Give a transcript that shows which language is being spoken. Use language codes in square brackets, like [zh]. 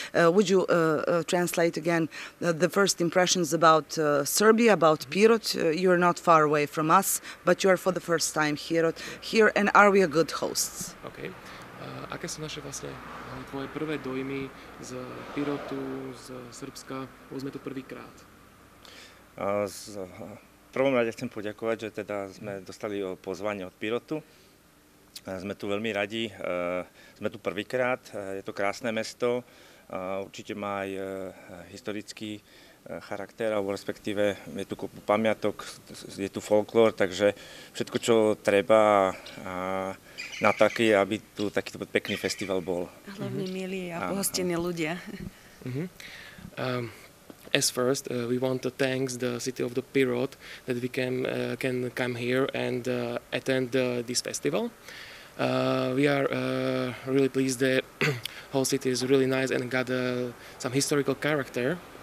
[en] Would you translate again the first impressions about Serbia, about Pirot? You are not far away from us, but you are for the first time here, and are we a good hosts? Okay. [sk] Aké sú naše vlastne tvoje prvé dojmy z Pirotu, z Srbska, povedzme to prvýkrát? V prvom rade chcem poďakovať, že teda sme dostali pozvanie od Pirotu. Sme tu veľmi radi, sme tu prvýkrát, je to krásne mesto, určite má aj historický charakter, alebo respektíve je tu kopu pamiatok, je tu folklór, takže všetko, čo treba na taký, aby tu takýto pekný festival bol. Hlavne milí a pohostení ľudia. [en] As first, we want to thank the city of the Pirot that we can come here and attend this festival. We are really pleased that whole city is really nice and got some historical character.